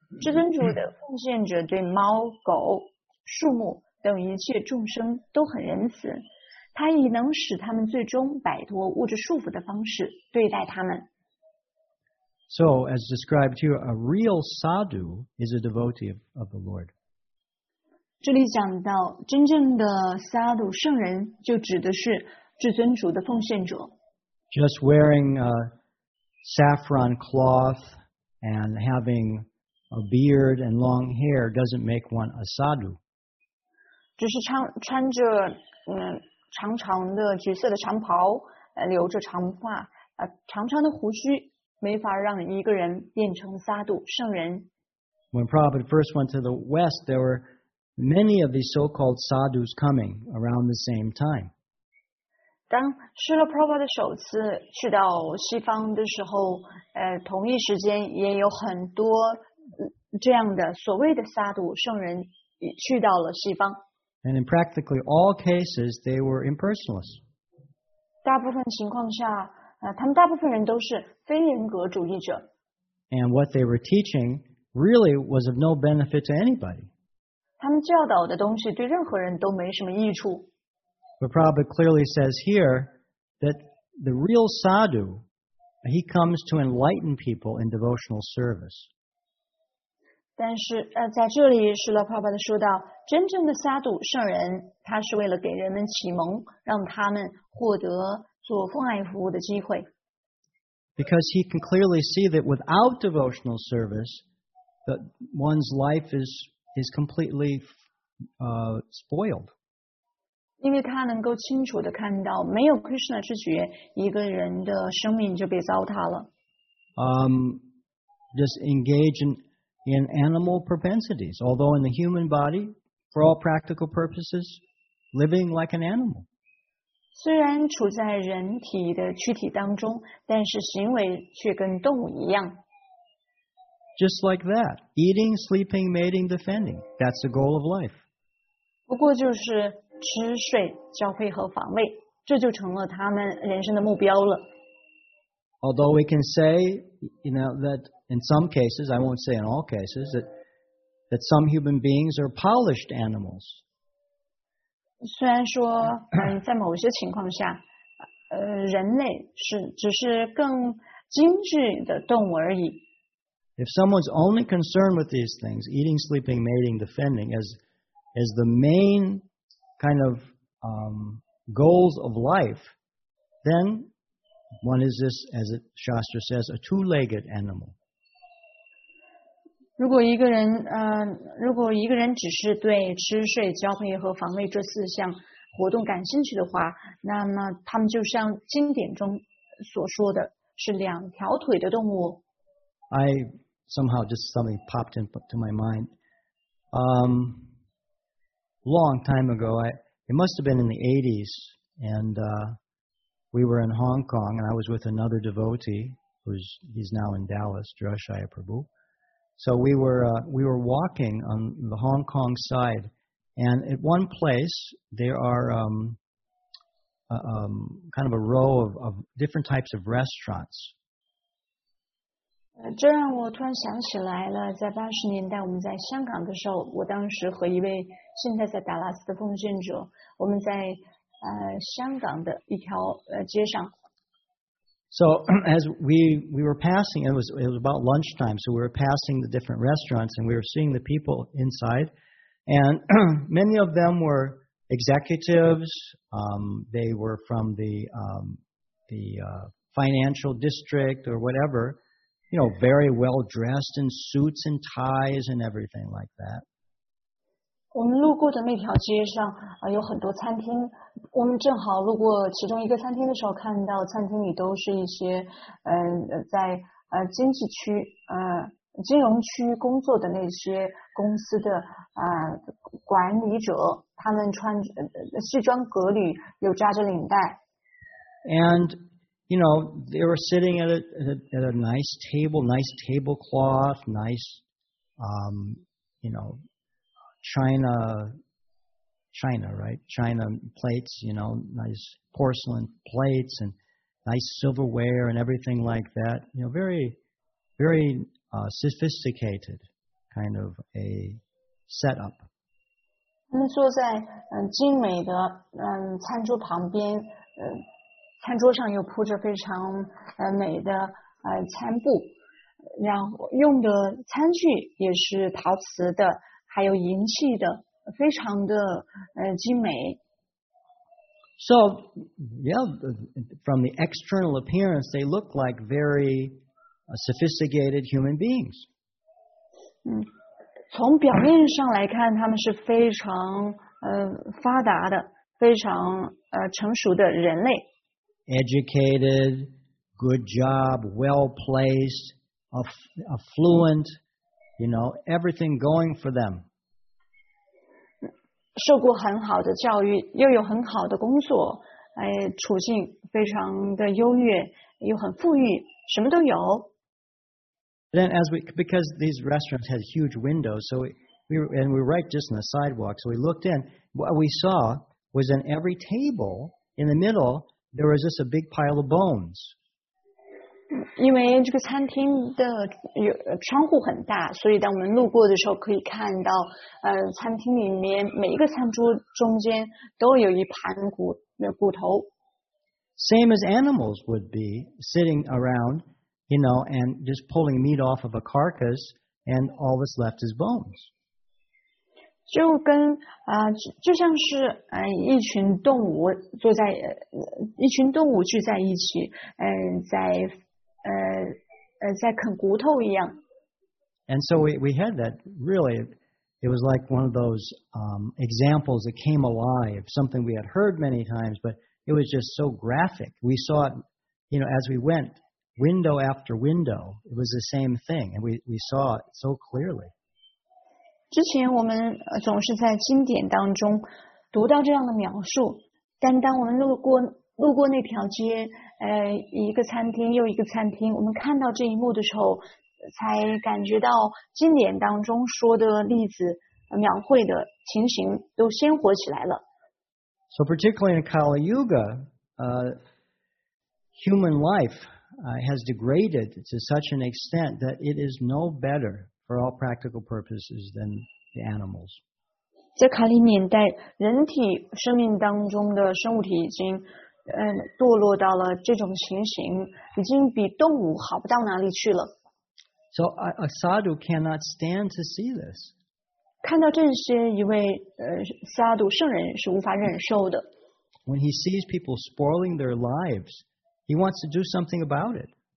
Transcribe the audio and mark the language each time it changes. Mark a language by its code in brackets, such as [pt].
[zh] 至尊主的奉献者对猫、狗、树木等一切众生都很仁慈，他以能使他们最终摆脱物质束缚的方式对待他们。 [en] So, as described here, a real sadhu is a devotee of the Lord. [zh] 这里讲到真正的 sadhu 圣人就指的是至尊主的奉献者。 [en] Just wearing a saffron cloth and having a beard and long hair doesn't make one a sadhu. [zh] 只是穿着长长的橘色的长袍，留着长发，长长的胡须，没法让一个人变成 sadhu 圣人。 [en] When Prabhupada first went to the West, there were many of these so-called sadhus coming around the same time. [zh] 当 Srila Prabhupada 首次去到西方的时候，同一时间也有很多这样的所谓的萨度圣人去到了西方。 [en] And in practically all cases, they were impersonalists. [zh] 大部分情况下，他们大部分人都是非人格主义者。 [en] And what they were teaching really was of no benefit to anybody. [zh] 他们教导的东西对任何人都没什么益处。 [en] But Prabhupada clearly says here that the real sadhu, he comes to enlighten people in devotional service. [zh] 但是在这里是Srila Prabhupada说到，真正的萨度圣人，他是为了给人们启蒙，让他们获得做奉爱服务的机会。 [en] Because he can clearly see that without devotional service, that one's life is completely spoiled. [zh] 因为他能够清楚地看到，没有 Krishna 之觉，一个人的生命就被糟蹋了。 [en] Just engage in animal propensities, although in the human body, for all practical purposes, living like an animal. [zh] 虽然处在人体的躯体当中，但是行为却跟动物一样。 [en] Just like that, eating, sleeping, mating, defending, that's the goal of life. [zh] 不过就是吃睡交配和防卫，这就成了他们人生的目标了。 [en] Although we can say, you know, thatIn some cases, I won't say in all cases, that some human beings are polished animals. [zh] 虽然说在某些情况下人类是只是更精致的动物而已。 [en] If someone's only concerned with these things, eating, sleeping, mating, defending, as the main kind of goals of life, then one is this, as it, Shastra says, a two-legged animal. [zh] 如果一个人只是对吃睡交配和防卫这四项活动感兴趣的话，那么他们就像经典中所说的是两条腿的动物。 [en] Somehow just something popped into my mind. Long time ago, it must have been in the 80s, and we were in Hong Kong, and I was with another devotee, he's now in Dallas, Jirashaya Prabhu. So we were walking on the Hong Kong side, and at one place, there are kind of a row of different types of restaurants. [zh] 这让我突然想起来了，在八十年代我们在香港的时候，我当时和一位现在在达拉斯的奉献者，我们在香港的一条街上。 [en] So as we were passing, it was about lunchtime, so we were passing the different restaurants and we were seeing the people inside, and many of them were executives. They were from the financial district or whatever. You know, very well dressed in suits and ties and everything like that. [zh] 我们路过的那条街上有很多餐厅。我们正好路过其中一个餐厅的时候，看到餐厅里都是一些在经济区金融区工作的那些公司的管理者，他们穿西装革履，又扎着领带。 [en] And. You know, they were sitting at a nice table, nice tablecloth, nice, China plates, you know, nice porcelain plates and nice silverware and everything like that. You know, very, very sophisticated kind of a setup. [zh] 他们坐在精美的餐桌旁边。餐桌上又铺着非常美的餐布，然后用的餐具也是陶瓷的，还有银器的，非常的精美。 [en] So, yeah, from the external appearance, they look like very sophisticated human beings. [zh] 从表面上来看，他们是非常发达的，非常成熟的人类。 [en] Educated, good job, well placed, affluent, you know, everything going for them. [zh] 受过很好的教育，又有很好的工作，处境非常的优越，又很富裕，什么都有。 [en] Then because these restaurants had huge windows, so we were right just on the sidewalk, so we looked in. What we saw was in every table in the middle. There was just a big pile of bones. [zh] 因为这个餐厅的窗户很大，所以当我们路过的时候，可以看到，餐厅里面每一个餐桌中间都有一盘骨头。 [en] Same as animals would be sitting around, you know, and just pulling meat off of a carcass, and all that's left is bones. [zh] 就跟就像是一群动物坐在一群动物聚在一起，在啃骨头一样。 [en] And so we had that really, it was like one of those examples that came alive, something we had heard many times, but it was just so graphic. We saw it, you know, as we went window after window, it was the same thing, and we saw it so clearly. [zh] 之前我们总是在经典当中读到这样的描述，但当我们路过那条街，一个餐厅又一个餐厅，我们看到这一幕的时候，才感觉到经典当中说的例子描绘的情形都鲜活起来了。 [en] So particularly in Kali Yuga, human life has degraded to such an extent that it is no better.For all practical purposes than the animals. [zh] 在卡里年代，人体生命当中的生物体已经堕落到了这种情形，已经比动物好不到哪里去了。 [en] So a sadhu cannot stand to see this. [zh] 看到这些，一位sadhu圣人是无法忍受的。 [en] When he sees people spoiling their lives, he wants to do something about it.